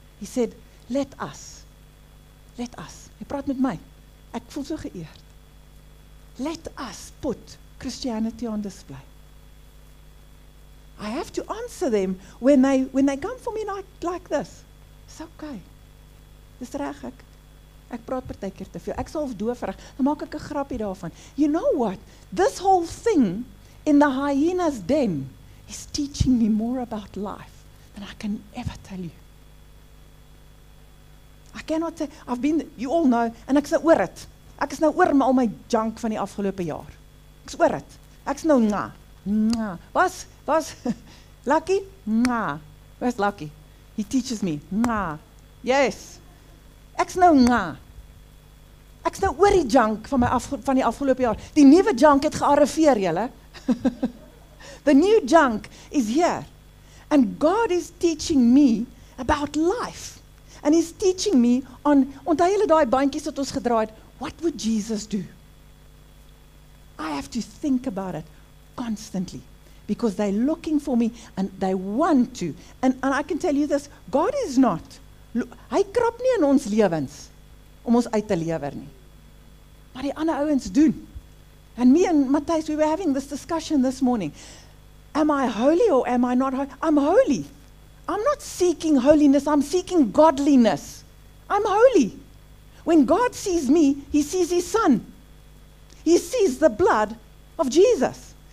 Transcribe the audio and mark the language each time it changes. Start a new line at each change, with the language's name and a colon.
English: He said, let us. Let us.
Afrikaans: Hy praat met my. Ek voel so geëerd.
English: Let us put Christianity on display. I have to answer them when they come for me like this. It's okay.
Afrikaans: Dis reg ek. Ek praat partykeer te veel. Ek sal doof reg. Dan maak ek 'n grapie daarvan.
English: You know what? This whole thing in the hyena's den is teaching me more about life than I can ever tell you. I cannot say, I've been, you all know, and
Afrikaans: ek is nou oor dit. Ek is nou oor al my junk van die afgelope jaar. Ek is oor dit. Ek is nou na. Was lucky? Nah. Was lucky?
English: He teaches me.
Afrikaans: Nah. Yes. Ek's nou na. Ek's nou oor die junk van die afgelope jaar. Die nuwe junk het gearriveer, julle.
English: The new junk is here. And God is teaching me about life. And he's teaching me on,
Afrikaans: onthou julle daai bandjies wat ons gedraai het,
English: what would Jesus do? I have to think about it constantly. Because they're looking for me and they want to. And I can tell you this, God is not.
Afrikaans: Hy krap nie in ons lewens om ons uit te lewer nie. Maar die ander ouens doen.
English: And me and Matthijs, we were having this discussion this morning. Am I holy or am I not holy? I'm holy. I'm not seeking holiness, I'm seeking godliness. I'm holy. When God sees me, he sees his son. He sees the blood of Jesus.